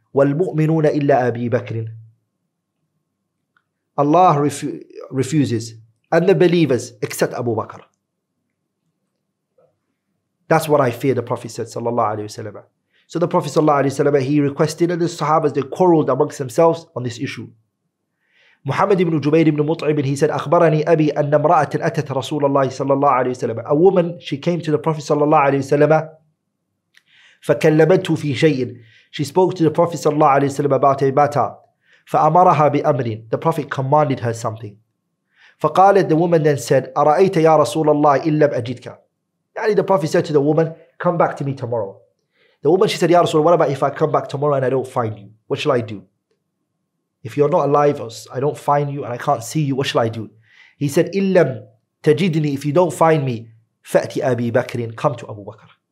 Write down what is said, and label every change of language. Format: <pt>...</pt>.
<ar>وَالْمُؤْمِنُونَ إِلَّا أَبِي بَكْرٍ</ar> <en>Allah refuses. And the believers, except Abu Bakr. That's what I fear, the Prophet said, sallallahu alayhi wa sallam. So the Prophet sallallahu alayhi wa sallam, he requested, and the Sahabas, they quarreled amongst themselves on this issue.</en> <ar>Muhammad ibn Jubayr ibn Mut'ib,</ar> <en>he said,</en> <ar>أخبرني أبي أن امرأة أتت رسول الله صلى الله عليه وسلم.</ar> <en>A woman, she came to the Prophet sallallahu alayhi wa sallam,</en> <ar>فكلمته في شيء.</ar> <en>She spoke to the Prophet sallallahu alayhi wa sallam about a matter.</en> <ar>فأمرها بأمر.</ar> <en>The Prophet commanded her something.</en> <ar>فقالت,</ar> <en>the woman then said,</en> <ar>أرأيت يا رسول الله إن لم أجدك.</ar> <en>And the Prophet said to the woman, come back to me tomorrow. The woman, she said, Ya Rasul, what about if I come back tomorrow and I don't find you? What shall I do? If you're not alive, I don't find you and I can't see you, what shall I do? He said,</en> <ar>إِلَّمْ تَجِدْنِي</ar> <en>If you don't find me,</en> <ar>فَأْتِ أَبِي بَكْرٍ</ar> <en>Come to Abu Bakr.</en>